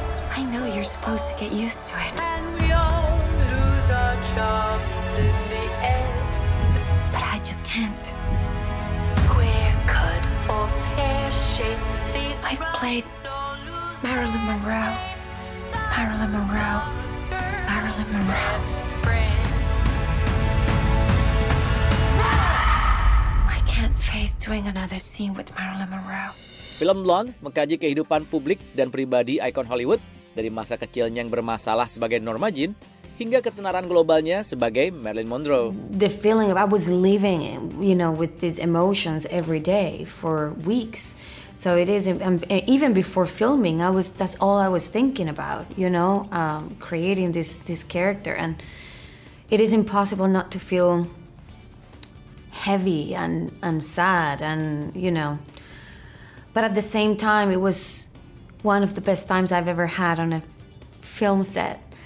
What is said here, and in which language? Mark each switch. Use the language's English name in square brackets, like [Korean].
[English] I know you're supposed to get used to it. And we all lose our jobs in the end. But I just can't. Square cut or pear shape. I've played Marilyn Monroe. Marilyn Monroe. Marilyn Monroe. Doing another scene with Marilyn Monroe. [Indonesian] Film Blonde mengkaji kehidupan publik dan pribadi ikon Hollywood dari masa kecilnya yang bermasalah sebagai Norma Jean hingga ketenaran globalnya sebagai Marilyn Monroe. [English] The feeling of I was living, you know, with these emotions every day for weeks. So it is even before filming, that's all I was thinking about, you know, creating this character, and it is impossible not to feel heavy and sad, and you know, but at the same time it was one of the best times I've ever had on a film set.